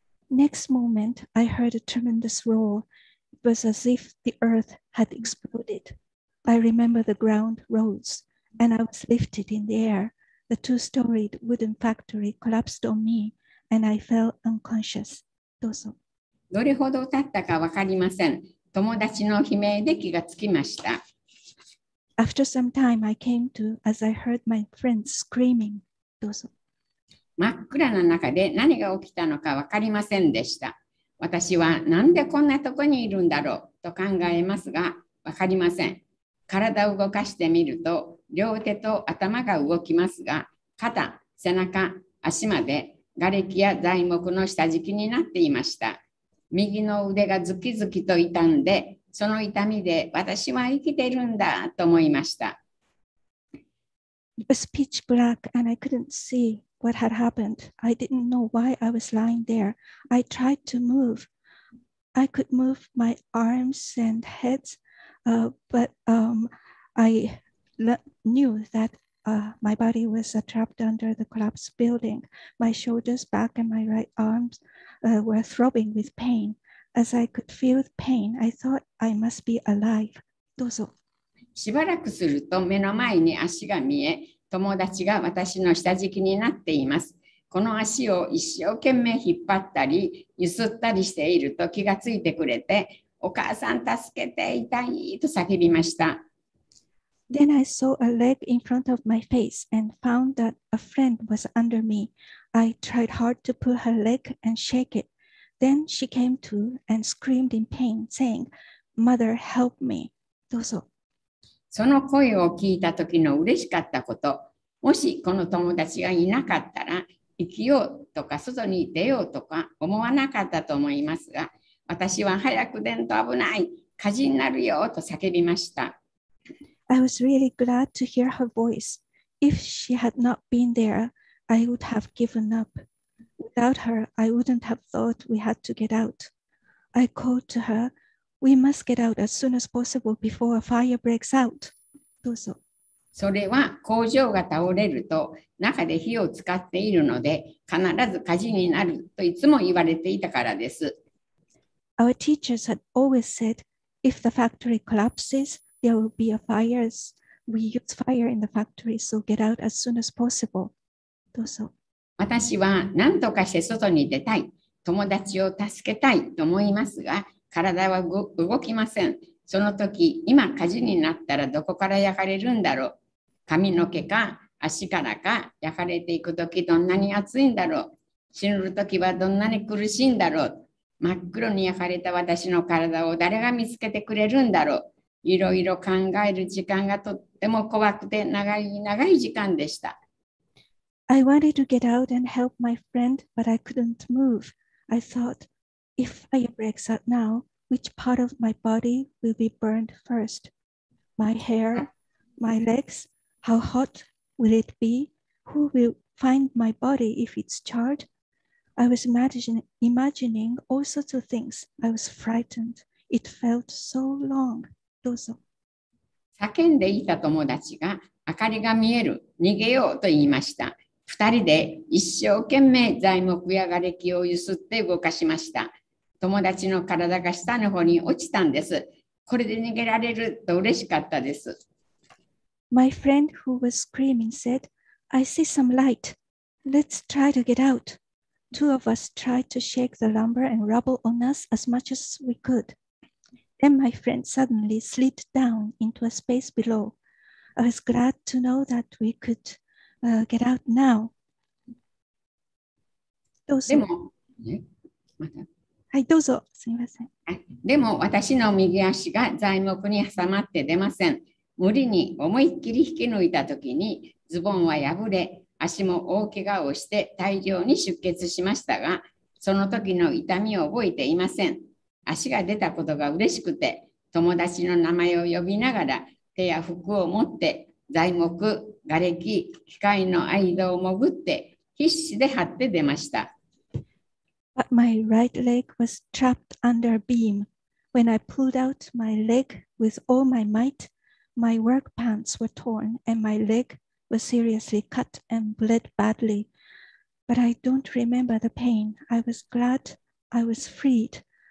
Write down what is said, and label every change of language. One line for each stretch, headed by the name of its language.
English: Next moment, I heard a tremendous roar. It was as if the earth had exploded. I remember the ground rose, and I was lifted in the air. The two-storied wooden factory collapsed on me, and I fell unconscious.
Japanese: どうぞ。どれほど経ったかわかりません。友達の悲鳴で気がつきました。
English: After some time, I came to as I heard my friends screaming.
Japanese: どうぞ。真っ暗な中で何が起きたのか分かりませんでした。私はなんでこんなとこにいるんだろうと考えますが、分かりません。体を動かしてみると、両手と頭が動きますが、肩、背中、足まで、瓦礫や材木の下敷きになっていました。右の腕がズキズキと痛んで、その痛みで私は生きているんだと思いました。
English: It was pitch black and I couldn't see. What had happened? I didn't know why I was lying there. I tried to move. I could move my arms and head, but I knew that my body was trapped under the collapsed building. My shoulders, back, and my right arms were throbbing with pain. As I could feel the pain, I thought I must be alive.
Japanese: どうぞ。しばらくすると目の前に足が見え、友達が私の下敷きになっています。この足を一生懸命引っ張ったり、揺すったりしていると気がついてくれて、お母さん助けて、痛いと叫びました。
English: Then I saw a leg in front of my face and found that a friend was under me. I tried hard to pull her leg and shake it. Then she came to and screamed in pain, saying, Mother, help me.
Japanese: どうぞ。その声を聞いた時の嬉しかったこと、もしこの友達がいなかったら、生きようとか外に出ようとか思わなかったと思いますが、私は早く出んと危ない、火事になるよと叫びました。
English: I was really glad to hear her voice. If she had not been there, I would have given up. Without her, I wouldn't have thought we had to get out. I called to her, we must get out as soon as possible before a fire breaks out.
Japanese: どうぞ。それは工場が倒れると中で火を使っているので必ず火事になるといつも言われていたからです。
English: Our teachers had always said, if the factory collapses, there will be a fire. We use fire in the factory, so get out as soon as possible.
Japanese: どうぞ。私は何とかして外に出たい、友達を助けたいと思いますが、体は動きません。その時、今火事になったらどこから焼かれるんだろう。髪の毛か足からか焼かれていく時どんなに熱いんだろう。死ぬ時はどんなに苦しいんだろう。真っ黒に焼かれた私の体を誰が見つけてくれるんだろう。いろいろ考える時間がとっても怖くて長い長い時間でした。
English: I wanted to get out and help my friend, but I couldn't move. I thought, if fire breaks out now, which part of my body will be burned first? My hair? My legs? How hot will it be? Who will find my body if it's charred? I was imagining all sorts of things. I was frightened. It felt so long.
Japanese: どうぞ。叫んでいた友達が、明かりが見える。逃げようと言いました。二人で一生懸命材木や瓦礫を揺すって動かしました。友達の体が下の方に落ちたんです。これで逃げられると嬉しかったです。
English: My friend who was screaming said, I see some light. Let's try to get out. Two of us tried to shake the lumber and rubble on us as much as we could. Then my friend suddenly slid down into a space below. I was glad to know that we couldget out now.
Japanese: どうぞ。でも、はい、どうぞ。すみません。でも、私の右足が材木に挟まって出ません。無理に思いっきり引き抜いたときに、ズボンは破れ、足も大怪我をして大量に出血しましたが、その時の痛みを覚えていません。足が出たことが嬉しくて、友達の名前を呼びながら、手や服を持って、材木、瓦礫、機械の間を潜って必死で張って出ました。
English: But my right leg was trapped under a beam. When I pulled out my leg with all my might, my work pants were torn and my leg was seriously cut and bled badly. But I don't remember the pain. I was glad I was freed.